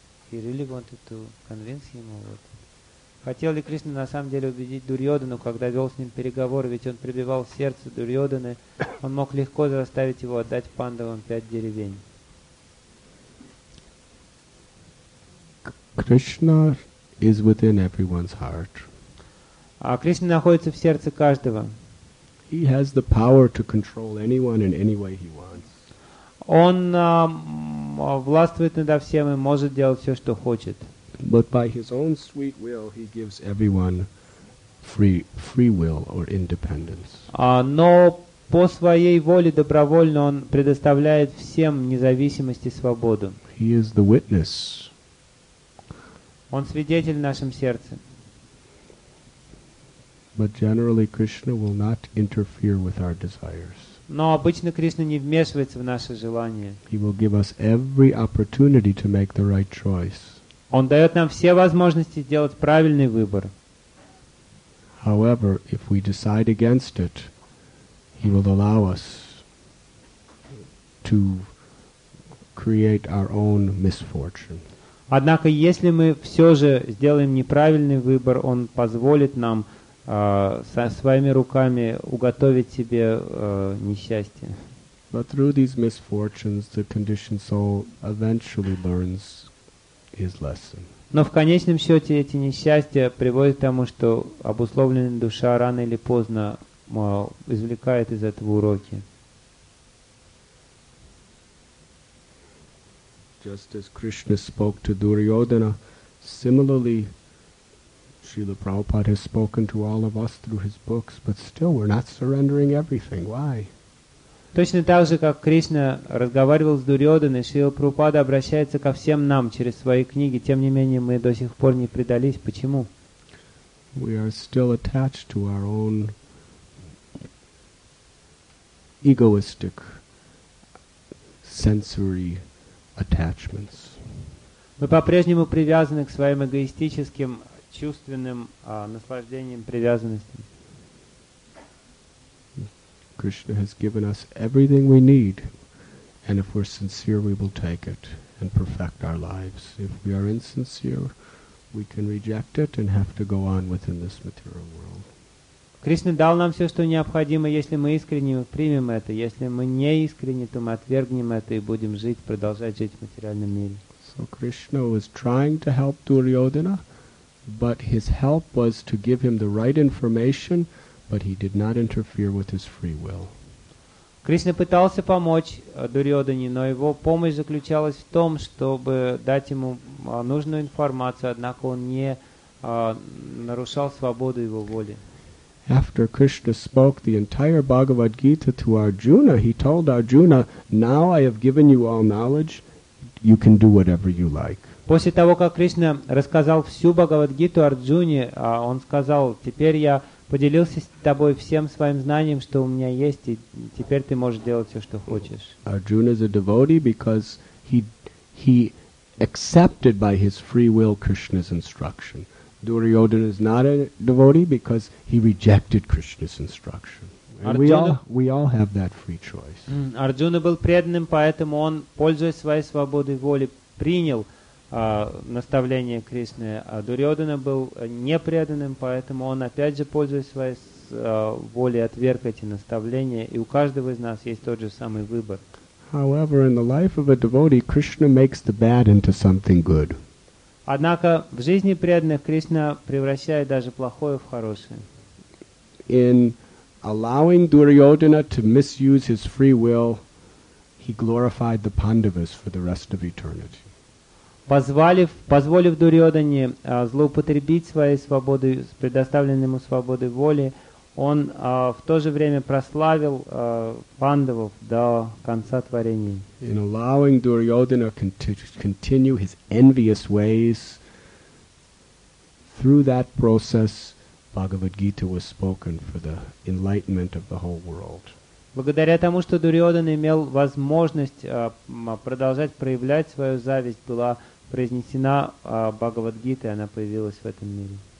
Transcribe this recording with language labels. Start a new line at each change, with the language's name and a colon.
English: He really wanted to convince him of it.
Russian: Хотел ли Кришна на самом деле убедить Дурьодану, когда вел с ним переговоры, ведь он прибивал сердце Дурьоданы, он мог легко заставить его отдать пандавам пять деревень.
English: Krishna is within everyone's heart.
Russian: А Кришна находится в сердце каждого.
English: He has the power to control anyone in any way he wants.
Russian: Он властвует надо всем и может делать все, что хочет.
English: But by his own sweet will, he gives everyone free will or independence.
Russian: Но по своей воле добровольно он предоставляет всем независимость и свободу.
English: He is the witness.
Russian: Он свидетель в нашем сердце.
English: But generally, Krishna will not interfere with our desires.
Russian: Но обычно Кришна не вмешивается в наши желания.
English: He will give us every opportunity to make the right choice.
Russian: Он дает нам все возможности сделать правильный выбор.
English: However, if we decide against it, he will allow us to create our own misfortune.
Russian: Однако, если мы все же сделаем неправильный выбор, он позволит нам со своими руками уготовить себе несчастье.
English: But through these misfortunes, the conditioned soul eventually learns his lesson.
Russian: Но в конечном счете эти несчастья приводят к тому, что обусловленная душа рано или поздно извлекает из этого уроки.
English: just as Krishna spoke to Duryodhana, similarly, Srila Prabhupada has spoken to all of us through his books, but still we're not surrendering everything. Why?
Russian: Точно так же, как Кришна разговаривал с Дурьоданой, Шрила Прабхупада обращается ко всем нам через свои книги, тем не менее мы до сих пор не предались. Почему?
English: We are still attached to our own egoistic sensory attachments.
Russian: Мы по-прежнему привязаны к своим эгоистическим чувственным наслаждениям, привязанностям.
English: Krishna has given us everything we need, and if we're sincere, we will take it and perfect our lives. If we are insincere, we can reject it and have to go on within this material world.
Russian: Krishna дал нам все, что необходимо. Если мы искренне, мы примем это. Если мы не искренне, то мы отвергнем это и будем жить, продолжать жить в материальном мире.
English: So Krishna was trying to help Duryodhana, but his help was to give him the right information. But he did not interfere with his free will.
Russian: Кришна пытался помочь Дурьодхане, но его помощь заключалась в том, чтобы дать ему нужную информацию, однако он не нарушал свободу его воли.
English: After Krishna spoke the entire Bhagavad Gita to Arjuna, he told Arjuna, "Now I have given you all knowledge, you can do whatever you like."
Russian: После того, как Кришна рассказал всю Бхагавад-гиту Арджуне, он сказал, "Теперь я поделился с тобой всем своим знанием, что у меня есть, и теперь ты можешь делать все, что хочешь."
English: Arjuna is a devotee because he accepted by his free will Krishna's instruction. Duryodhana is not a devotee because he rejected Krishna's instruction. And we all have that free choice.
Russian: Arjuna был преданным, поэтому он, пользуясь своей свободой воли, принял наставление Кришны. А Дурьодхана был непреданным, поэтому он опять же, пользуясь своей волей, отверг эти наставления. И у каждого из нас есть тот же самый выбор.
English: However, in the life of a devotee, Krishna makes the bad into something good.
Russian: Однако в жизни преданных Кришна превращает даже плохое в хорошее.
English: In allowing Duryodhana to misuse his free will, he glorified the Pandavas for the rest of eternity.
Russian: Позволив Дурьодхане злоупотребить своей свободой, предоставленной ему свободой воли, он в то же время прославил пандавов до конца творения.
English: In allowing Duryodhana continue his envious ways, through that process, Bhagavad Gita was spoken for the enlightenment of the whole world.
Russian: Благодаря тому, что Дурьодхана имел возможность продолжать проявлять свою зависть, была произнесена Бхагавад-гита, и она появилась в этом мире.